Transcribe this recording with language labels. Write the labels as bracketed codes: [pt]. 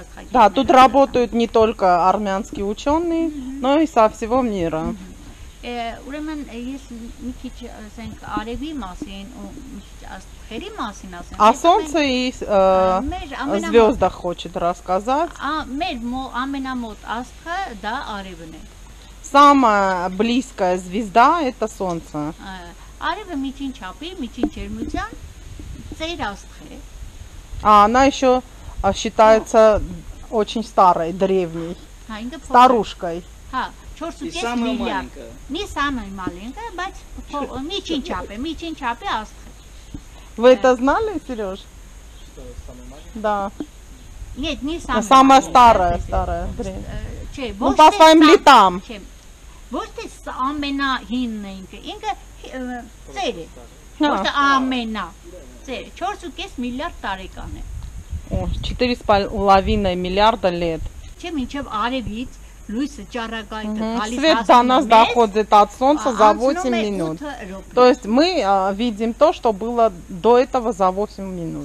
[ru] Да, тут работают не только армянские ученые, но и со всего мира. [hy] Ուրեմն ես մի քիչ ասենք արևի մասին ու մի քիչ աստղերի մասին ասեմ։ [ru] А солнце и звёзды хочет рассказать. [hy] А մեր ամենամոտ աստղը դա արևն է։ [ru] Самая близкая звезда это солнце. [hy] Արևը միջին չափի, միջին ջերմության ծեր աստղ է։ [ru] А она ещё считается очень старой, древней. [hy] Հա, ինքը [ru] старушкой. Հա, 4.5 миллиарда. Не самая маленькая, но [hy] միջին չափ, աստղ. [ru] Вы это знали, Серёж? Да. Нет, не самая. Самая старая, старая. Че, ну, по своим летам. [hy] Ոչ թե ամենա հինն է ինքը, ինքը ծեր է. Ոչ թե ամենա ծեր, 4.5 միլիարդ տարեկան է. Օ, 4.5 միլիարդ лет. Չէ, մինչև արևից լույսը ճառագայթը գալիս է աստղի մեջ. [ru] Свет до нас доходит от солнца за 8 минут. То есть мы видим то, что было до этого за 8 минут.